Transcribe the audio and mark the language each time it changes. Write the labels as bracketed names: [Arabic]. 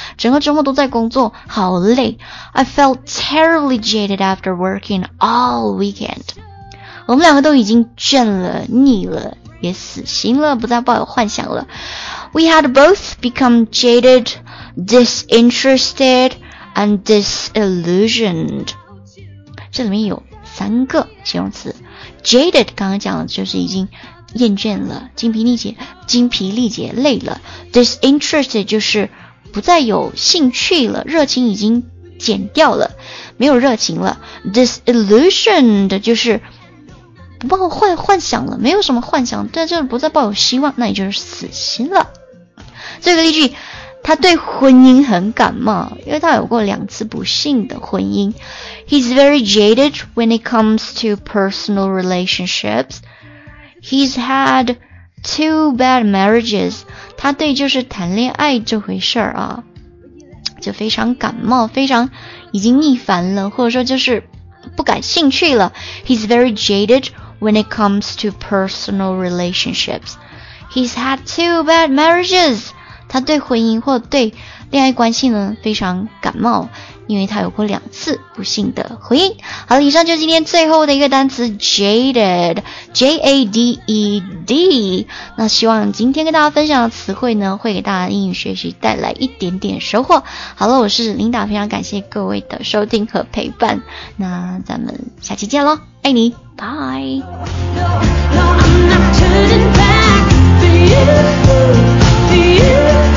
[Chinese] 整个周末都在工作，好累。 [English] I felt terribly jaded after working all weekend. [Chinese] 我们两个都已经倦了，腻了，也死心了，不再抱有幻想了。 [English] We had both become jaded, disinterested,and disillusioned. [Chinese] 这里面有三个形容词。Jaded 刚刚讲的就是已经厌倦了，精疲力竭累了。 Disinterested 就是不再有兴趣了，热情已经减掉了，没有热情了。 Disillusioned 就是不抱幻想了，没有什么幻想，但就是不再抱有希望，那也就是死心了。这个例句，他对婚姻很感冒，因为他有过两次不幸的婚姻。 [English] He's very jaded when it comes to personal relationships. He's had two bad marriages. [Chinese] 他对就是谈恋爱这回事儿啊，就非常感冒，非常已经腻烦了，或者说就是不感兴趣了。 [English] He's very jaded when it comes to personal relationships. He's had two bad marriages. [Chinese] 他对婚姻或对恋爱关系呢非常感冒，因为他有过两次不幸的婚姻。好了，以上就是今天最后的一个单词 jaded, J-A-D-E-D。那希望今天跟大家分享的词汇呢会给大家英语学习带来一点点收获。好了，我是琳达，非常感谢各位的收听和陪伴，那咱们下期见咯，爱你，拜。 [English] No, no, I'm not turning back for you.